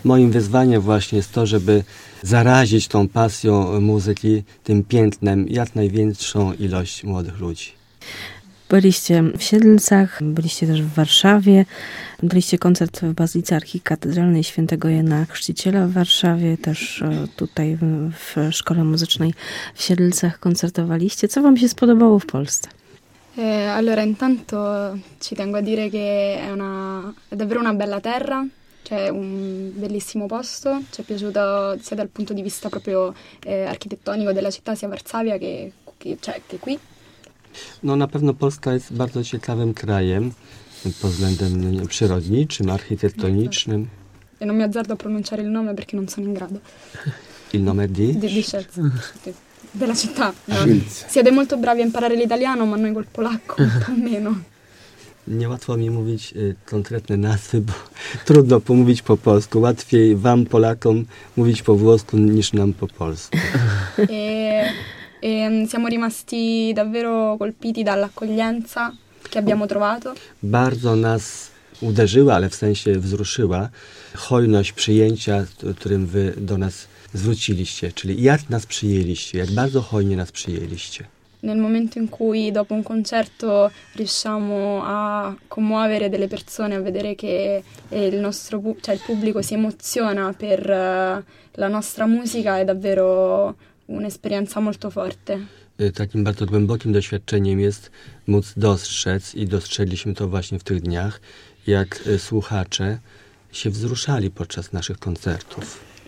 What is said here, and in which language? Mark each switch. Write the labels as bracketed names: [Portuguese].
[Polish] Moim wyzwaniem właśnie jest to, żeby zarazić tą pasją muzyki, tym pięknem, jak największą ilość młodych ludzi. byliście w Siedlcach, byliście też w Warszawie, daliście koncert w Bazylice Archikatedralnej Świętego Jana Chrzciciela w Warszawie, też tutaj w Szkole Muzycznej w Siedlcach koncertowaliście. Co wam się spodobało w Polsce? [Italian] Allora, intanto ci tengo a dire che è davvero una bella terra, c'è un bellissimo posto, ci è piaciuto sia dal punto di vista proprio architettonico della città, sia Varsavia che qui. [Polish] No, na pewno Polska jest bardzo ciekawym krajem pod względem przyrodniczym, architektonicznym. [Italian] E non mi azzardo a pronunciare il nome perché non sono in grado. Il nome di? Di Scherz. Della città. No. Siete molto bravi a imparare l'italiano, ma noi col polacco un po' meno. [Polish] Niełatwo mi mówić konkretne nazwy, bo trudno pomówić po polsku. Łatwiej wam, Polakom, mówić po włosku niż nam po polsku. [Italian] E siamo rimasti davvero colpiti dall'accoglienza che abbiamo trovato. [Polish] Bardzo nas uderzyła, ale w sensie wzruszyła, hojność przyjęcia, którym wy do nas zwróciliście, czyli jak nas przyjęliście, jak bardzo hojnie nas przyjęliście. [Italian] Nel momento in cui dopo un concerto riusciamo a commuovere delle persone, a vedere che il nostro cioè il pubblico si emoziona per la nostra musica, è davvero un'esperienza molto forte. [Polish] Takim bardzo głębokim doświadczeniem jest móc dostrzec i dostrzegliśmy to właśnie w tych dniach, jak słuchacze się wzruszali podczas naszych koncertów.